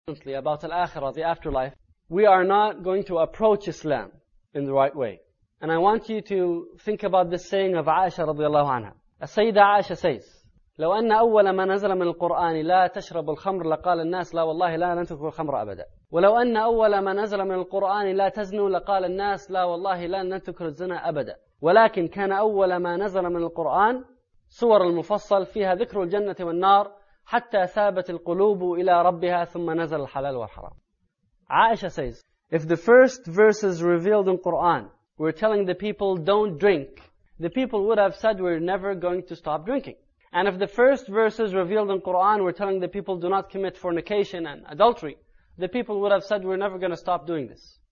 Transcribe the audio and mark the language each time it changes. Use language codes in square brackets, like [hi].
[en] recently about al-akhirah, the afterlife, we are not going to approach Islam in the right way. And I want you to think about this saying of Aisha radiallahu anha. Sayyida Aisha says, [ar] لو أن أول ما نزل من القرآن لا تشرب الخمر لقال الناس لا والله لا لن تشرب الخمر أبدا ولو أن أول ما نزل من القرآن لا تزنوا لقال الناس لا والله لا لن تشرب الزنا أبدا ولكن كان أول ما نزل من القرآن سور المفصل فيها ذكر الجنة والنار حتى ثابت القلوب إلى ربها ثم نزل الحلال والحرام. [en] عائشة says, if the first verses revealed in Quran were telling the people don't drink, the people would have said we're never going to stop drinking. And if the first verses revealed in Quran were telling the people do not commit fornication and adultery, the people would have said we're never going to stop doing this.